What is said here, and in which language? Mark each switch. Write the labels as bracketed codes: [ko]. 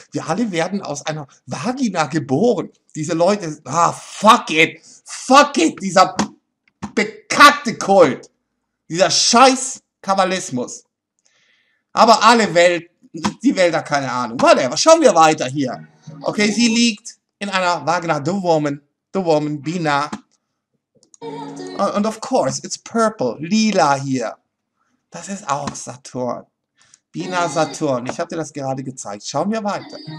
[de] Wir alle werden aus einer Vagina geboren. Diese Leute, [en] ah, fuck it. Fuck it, [de] dieser bekackte Kult. Dieser scheiß Kabbalismus. Aber alle Welt, die Welt hat keine Ahnung. Whatever, schauen wir weiter hier. Okay, sie liegt in einer Vagina. [en] The woman, Bina. And of course, it's purple, [de] lila hier. Das ist auch Saturn. Bina, Saturn. Ich habe dir das gerade gezeigt. Schauen wir weiter.